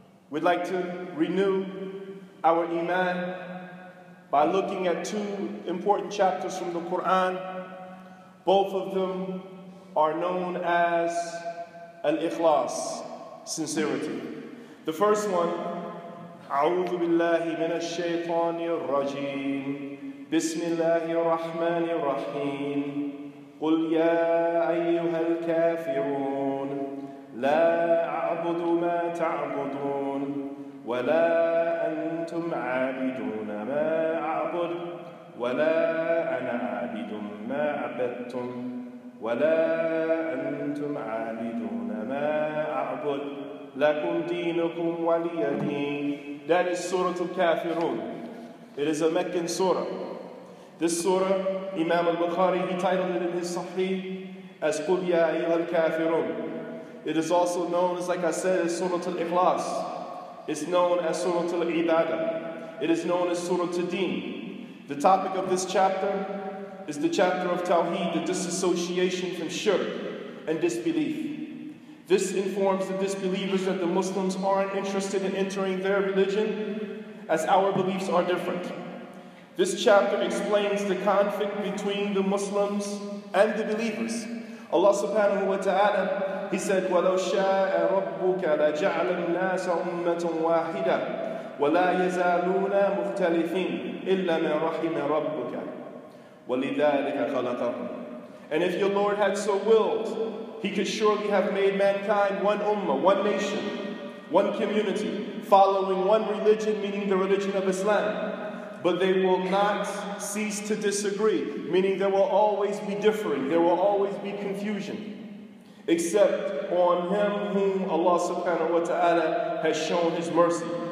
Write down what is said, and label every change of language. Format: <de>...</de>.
<en>We'd like to renew our iman by looking at two important chapters from the Quran. Both of them are known as al-ikhlas, sincerity. The first one,</en> <ar>أعوذ بالله من الشيطان الرجيم بسم الله الرحمن الرحيم قل يا أيها الكافرون لا أعبد ما تعبدون ولا أنتم عابدون ما أعبد ولا أنا عابد ما عبدتم ولا أنتم عابدون ما أعبد لكم دينكم ولي دين.</ar> <en>That is Surah Al-Kafirun. It is a Meccan surah. This surah, Imam Al-Bukhari, he titled it in his Sahih as Qul Ya Ayyuhal Kafirun. It is also known as, like I said, as Surah Al-Ikhlas. It's known as Surah Al-Ibadah. It is known as Surah Al-Din. The topic of this chapter is the chapter of Tawheed, the disassociation from shirk and disbelief. This informs the disbelievers that the Muslims aren't interested in entering their religion as our beliefs are different. This chapter explains the conflict between the Muslims and the believers. Allah subhanahu wa ta'ala, He said,</en> <ar>وَلَوْ شَاءَ رَبُّكَ لَجَعْلَ النَّاسَ أُمَّةٌ وَاحِدَةٌ وَلَا يَزَالُونَ مُخْتَلِفِينَ إِلَّا مَنْ رَحِمَ رَبُّكَ وَلِذَلِكَ خَلَقَهُمْ.</ar> <en>And if your Lord had so willed, He could surely have made mankind one ummah, one nation, one community, following one religion, meaning the religion of Islam. But they will not cease to disagree, meaning there will always be differing, there will always be confusion, except on him whom Allah subhanahu wa ta'ala has shown his mercy.</en>